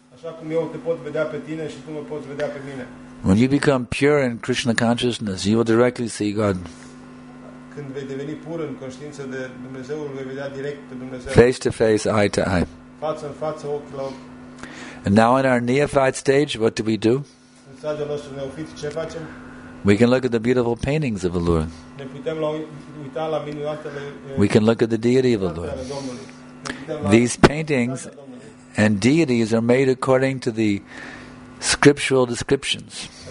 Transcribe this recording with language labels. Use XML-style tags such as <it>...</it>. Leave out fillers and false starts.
<en>When you become pure in Krishna consciousness, you will directly see God.</en> <ro>Când vei deveni pur în conștiință de Dumnezeu, vei vedea direct pe Dumnezeu.</ro> <en>Face to face, eye to eye.</en> <ro>Față în față, ochi la ochi.</ro> <en>And now in our neophyte stage, what do we do?</en> <ro>În stadiul nostru neofit, ce facem?</ro> <en>We can look at the beautiful paintings of the Lord.</en> <ro>Ne putem uita la minunatele.</ro> <en>We can look at the deity of the Lord. These paintings and deities are made according to the scriptural descriptions.</en>